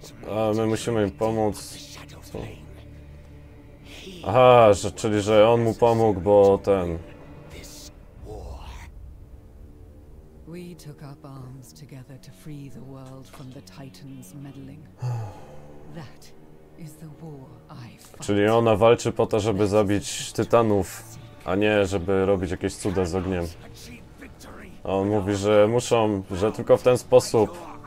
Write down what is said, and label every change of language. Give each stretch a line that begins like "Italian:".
Polish: A, my musimy im pomóc. Co? Aha, że, czyli że on mu pomógł, bo ten...
English: We took up arms together to free the world from the Titans' meddling. That is the war I fought.
Polish: Czyli ona walczy po to, żeby zabić tytanów, a nie żeby robić jakieś cuda z ogniem. On mówi, że muszą, że tylko w ten sposób...